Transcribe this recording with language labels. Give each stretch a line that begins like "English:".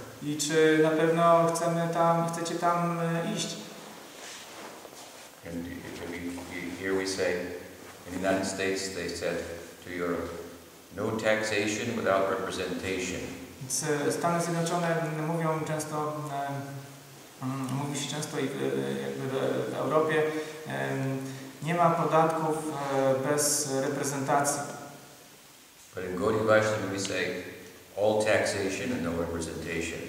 Polish: I czy na pewno chcecie tam iść?
English: And here we say, in the United States, they said to Europe, no taxation without representation.
Polish: Stany Zjednoczone mówią często, mówi się często jakby w Europie, nie ma podatków bez reprezentacji.
English: But in Gaudiya Vaishnava we say all taxation and no representation.